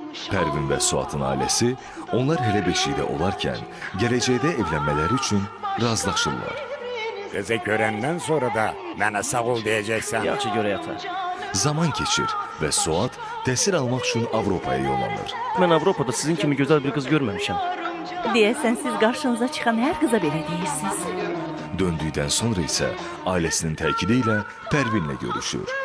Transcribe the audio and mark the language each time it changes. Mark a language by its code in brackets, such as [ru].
[az] Pərvin və Suatın ailəsi, onlar hələ beşikdə olarkən gələcəkdə evlənmələri üçün razılaşırlar. [tr] Kızı görenden sonra da bana sağ ol diyeceksen. [az] Yaxşı görə yatar. Zaman keçir və Suat təhsil almaq üçün Avropaya yollanır. Mən Avropada sizin kimi gözəl bir qız görməmişəm. Deyəsən siz qarşınıza çıxan hər qıza belə deyirsiniz. Döndüydən sonra isə ailəsinin təkidi ilə Pərvinlə görüşür.